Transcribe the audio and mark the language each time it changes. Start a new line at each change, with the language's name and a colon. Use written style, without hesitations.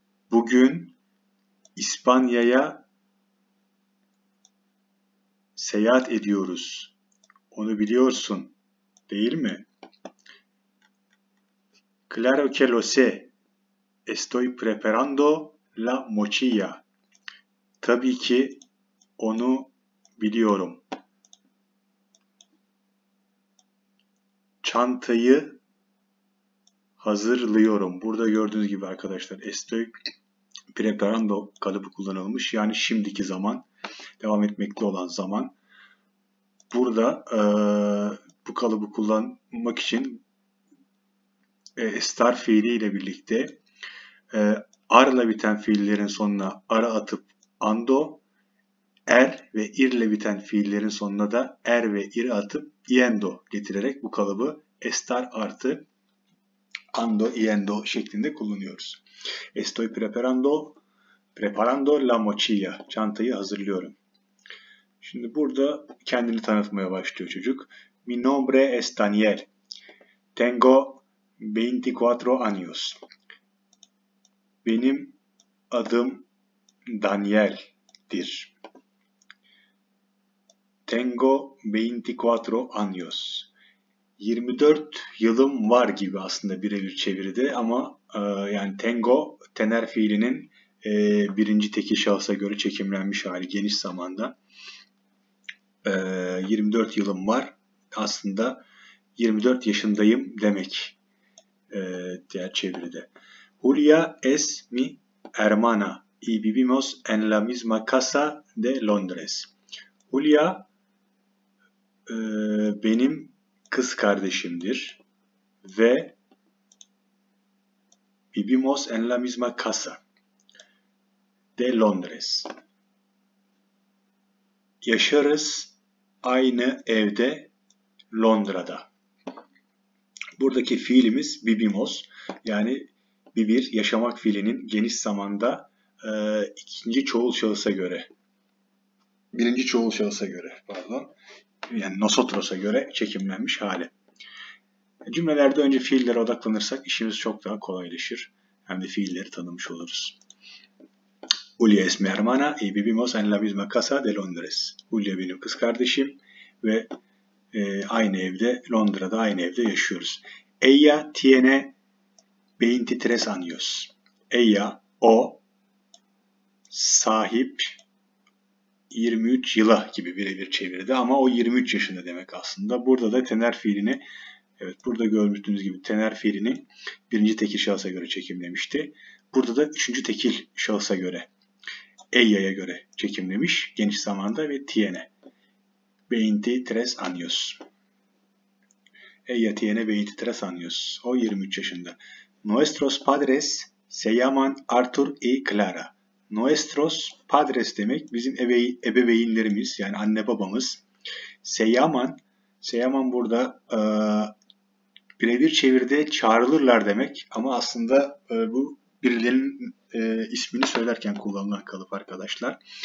Turkish: Bugün İspanya'ya seyahat ediyoruz. Onu biliyorsun, değil mi?
Spanish: Claro que lo sé. Estoy preparando la mochila.
Turkish: Tabii ki onu biliyorum. Çantayı hazırlıyorum. Burada gördüğünüz gibi arkadaşlar,
Spanish: estoy preparando
Turkish: kalıbı kullanılmış. Yani şimdiki zaman, devam etmekte olan zaman. Burada bu kalıbı kullanmak için estar fiiliyle birlikte arla biten fiillerin sonuna ara atıp ando, er ve irle biten fiillerin sonuna da er ve ir atıp yendo getirerek bu kalıbı estar artı ando, yendo şeklinde kullanıyoruz.
Spanish: Estoy preparando la mochila.
Turkish: Çantayı hazırlıyorum. Şimdi burada kendini tanıtmaya başlıyor çocuk.
Spanish: Mi nombre es Daniel. Tengo 24 años.
Turkish: Benim adım Daniel'dir.
Spanish: Tengo 24 años.
Turkish: 24 yılım var gibi aslında birebir çeviride ama yani tengo, tener fiilinin birinci tekil şahısa göre çekimlenmiş hali geniş zamanda. 24 yılım var. Aslında 24 yaşındayım demek diğer çeviride.
Spanish: Julia es mi hermana y vivimos en la misma casa de Londres.
Turkish: Julia benim kız kardeşimdir ve
Spanish: vivimos en la misma casa de Londres.
Turkish: Yaşarız aynı evde Londra'da. Buradaki fiilimiz vivimos, yani vivir, yaşamak fiilinin geniş zamanda ikinci çoğul şahısa göre, birinci çoğul şahısa göre, pardon, yani nosotros'a göre çekimlenmiş hali. Cümlelerde önce fiillere odaklanırsak işimiz çok daha kolaylaşır. Hem de fiilleri tanımış oluruz.
Spanish: Julia es mi hermana y vivimos en la misma casa de Londres.
Turkish: Julia benim kız kardeşim ve aynı evde, Londra'da aynı evde yaşıyoruz.
Spanish: Ella tiene 23 años.
Turkish: Ella, o, sahip 23 yıla gibi birebir çevirdi ama o 23 yaşında demek aslında. Burada da tener fiilini, evet burada gördüğünüz gibi tener fiilini birinci tekil şahısa göre çekimlemişti. Burada da üçüncü tekil şahısa göre, Ella'ya göre çekimlemiş geniş zamanda ve tiene.
Spanish: 23 años. Ella tiene 23 años.
Turkish: O 23 yaşında.
Spanish: Nuestros padres se llaman Arthur y Clara. Nuestros padres
Turkish: demek bizim ebeveynlerimiz, yani anne babamız.
Spanish: Se llaman
Turkish: burada birebir çevirde çağrılırlar demek ama aslında bu birilerinin ismini söylerken kullanılan kalıp arkadaşlar.